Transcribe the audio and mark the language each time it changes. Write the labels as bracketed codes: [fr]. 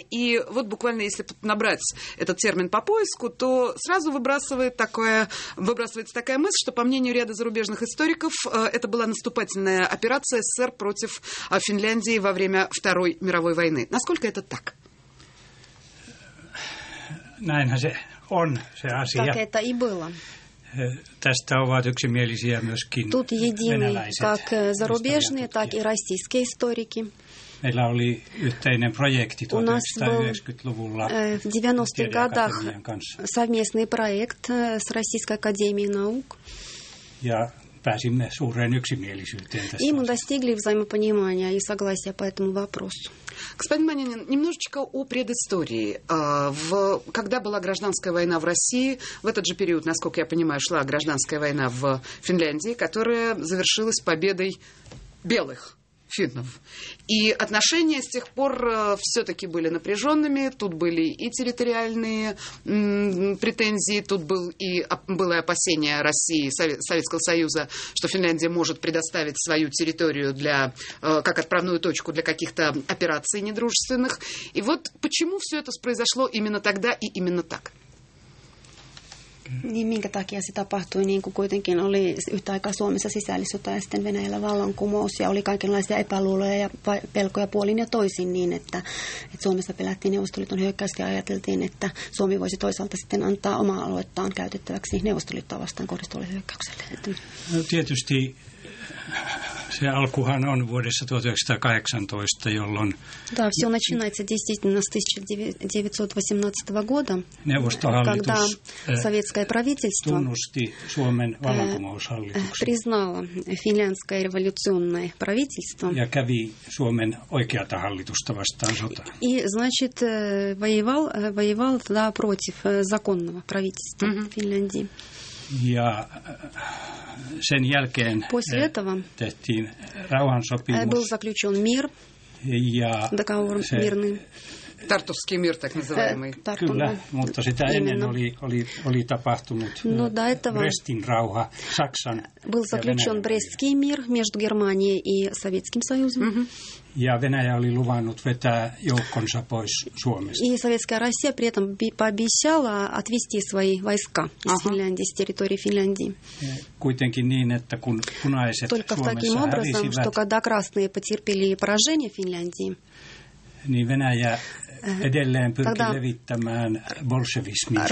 [ru] И вот буквально если набрать этот термин по поиску, то сразу выбрасывается такая мысль, что, по мнению ряда зарубежных историков, это была наступательная операция СССР против Финляндии во время Второй мировой войны. Насколько это так? Так это и было. Тут едины как зарубежные, так и российские историки. [fi] Meillä oli yhteinen projekti 1990-luvulla. [ru] В 90-х годах совместный проект с Российской академией наук. [fi] Pääsimme suureen yksimielisyyteen tässä. [ru] И мы достигли взаимопонимания и согласия по этому вопросу. Господин Манинин, немножечко о предыстории. Когда была гражданская война в России, в этот же период, насколько я понимаю, шла гражданская война в Финляндии, которая завершилась победой белых финнов. И отношения с тех пор все-таки были напряженными. Тут были и территориальные претензии, тут было опасение России, Советского Союза, что Финляндия может предоставить свою территорию как отправную точку для каких-то операций недружественных. И вот почему все это произошло именно тогда и именно так? [fi] Niin minkä takia se tapahtui, niin kuin kuitenkin oli yhtä aikaa Suomessa sisällissota ja sitten Venäjällä vallankumous ja oli kaikenlaisia epäluuloja ja pelkoja puolin ja toisin niin, että Suomessa pelättiin Neuvostoliiton hyökkäystä ja ajateltiin, että Suomi voisi toisaalta sitten antaa omaa aluettaan käytettäväksi Neuvostoliittoa vastaan kohdistuvalle hyökkäykselle. No, tietysti se alkuhan on vuodessa 1918, jolloin... [ru] Да, все начинается действительно с 1918 года, когда советское правительство [fi] tunnusti Suomen vallankumoushallituksen, [ru] признало финляндское революционное правительство [fi] ja kävi Suomen oikeata hallitusta vastaan sota. [ru] И, значит, воевал тогда против законного правительства Финляндии. [fi] Ja sen jälkeen tehtiin rauhansopimus. [ru] Был заключен мир. [fi] Ja [ru] договор мирный. Тартусский мир, так называемый. [fi] Kyllä, mutta sitä ennen oli tapahtunut Брестин рауха Саксан. [ru] Был заключен Брестский мир между Германией и Советским Союзом. [fi] Ja Venäjä oli luvannut vetää joukkonsa pois Suomesta. [ru] И Советская Россия при этом пообещала отвести свои войска из Финляндии, с территории Финляндии. [fi] Kuitenkin niin, että kun punaiset [ru] Только [fi] Suomessa [ru] таким образом, [fi] hävisivät, [ru] что когда красные потерпели поражение Финляндии, [fi] niin Venäjä edelleen pyrki levittämään bolshevismia Suomeen.